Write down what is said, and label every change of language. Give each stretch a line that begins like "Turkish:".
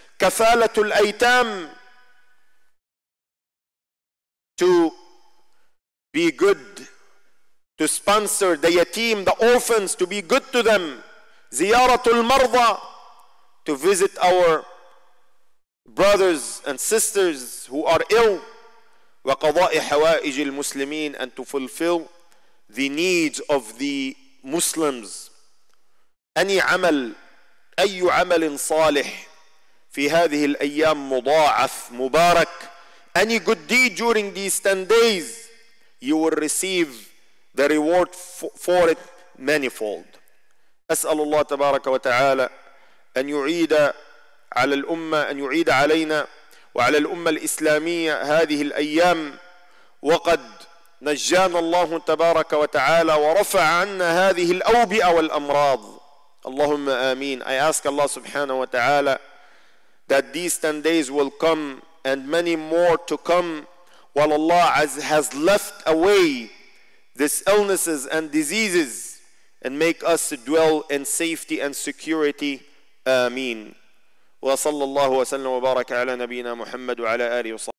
Arabic: كفالة الأيتام,
English: to be good, to sponsor the yatim, the orphans, to be good to them.
Arabic: زيارة المرضى,
English: to visit our brothers and sisters who are ill.
Arabic: وقضاء حوائج المسلمين,
English: and to fulfill the needs of the Muslims.
Arabic: أي عمل, أي عمل صالح في هذه الأيام مضاعف مبارك.
English: Any good deed during these 10 days, you will receive the reward for it manifold.
Arabic: أسأل الله تبارك وتعالى أن يعيد على الأمة, أن يعيد علينا وعلى الأمة الإسلامية هذه الأيام. وقد نجانا الله تبارك وتعالى ورفع عنا هذه الأوبئة والأمراض. اللهم آمين.
English: I ask Allah
Arabic: سبحانه وتعالى
English: that these 10 days will come and many more to come, while Allah has left away these illnesses and diseases, and make us dwell in safety and security.
Arabic: Ameen. وصلى الله وسلم وبارك على نبينا محمد وعلى آله وصحبه.